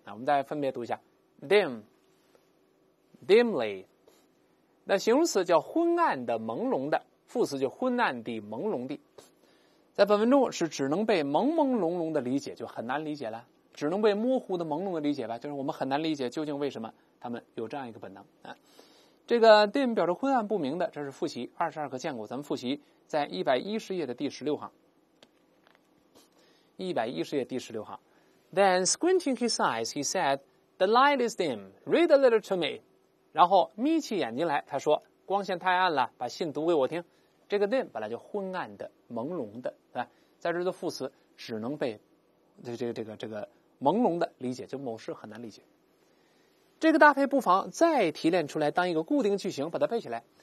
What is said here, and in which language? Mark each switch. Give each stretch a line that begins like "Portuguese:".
Chinese: 那我们再分别读一下 dim dimly， 那形容词叫昏暗的朦胧的，副词就昏暗的朦胧的，在本文中是只能被朦朦胧胧的理解，就很难理解了，只能被模糊的朦胧的理解吧，就是我们很难理解究竟为什么他们有这样一个本能。这个 dim 表示昏暗不明的，这是复习22个见过，咱们复习在110页的第16行。 110页第16行。
English: Then squinting his eyes, he said, the light is dim, read a little to me.
Chinese: 然后眯起眼睛来，他说光线太暗了，把信读给我听。这个 dim 本来就昏暗的朦胧的，在这的副词只能被这个朦胧的理解，就某事很难理解。这个搭配不妨再提炼出来当一个固定句型把它背起来。